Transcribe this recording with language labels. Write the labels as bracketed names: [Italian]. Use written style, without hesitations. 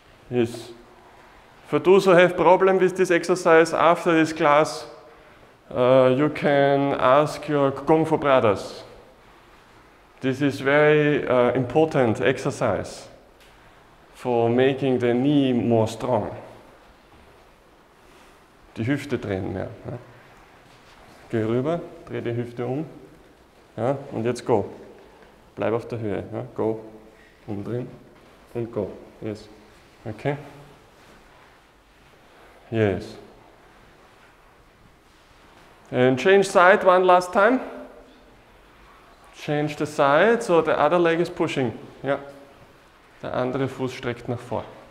[English] Yes. For those who have problem with this exercise after this class, you can ask your Kung Fu brothers. This is very important exercise for making the knee more strong. [German] Die Hüfte drehen mehr. Ja. Geh rüber, dreh die Hüfte um. Ja, und jetzt go. Bleib auf der Höhe. Ja. Go, umdrehen und go. [English] Yes. [German] Okay. [English] Yes. And change side one last time. Change the side, so the other leg is pushing. [German] Ja. Der andere Fuß streckt nach vor.